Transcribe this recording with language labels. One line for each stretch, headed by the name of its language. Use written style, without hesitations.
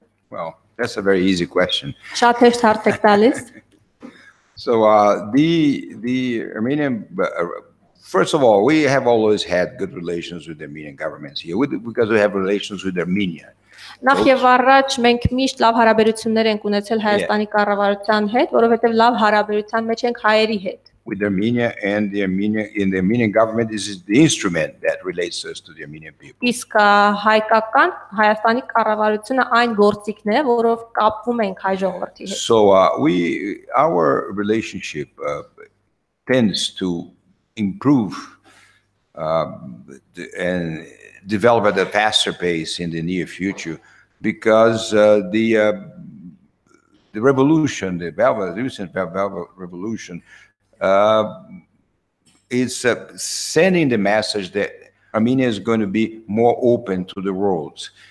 English: Well, that's a very easy question.
Armenian: Շատ հեշտ հարց եք տալիս։
English: So the Armenian first of all, we have always had good relations with the Armenian governments here because we have relations with Armenia.
Armenian: Նախ եւ առաջ մենք միշտ լավ հարաբերություններ ենք ունեցել Հայաստանի կառավարության հետ, որովհետեւ լավ հարաբերության մեջ ենք հայերի հետ.
English: With Armenia and the Armenia in the Armenian government is the instrument that relates us to the Armenian people.
Armenian: Իսկ հայկական Հայաստանի կառավարությունը այն գործիքն է, որով կապվում ենք հայ ժողովրդի հետ.
English: So our relationship tends to improve and develop at a faster pace in the near future because the revolution, the recent revolution is sending the message that Armenia is going to be more open to the world.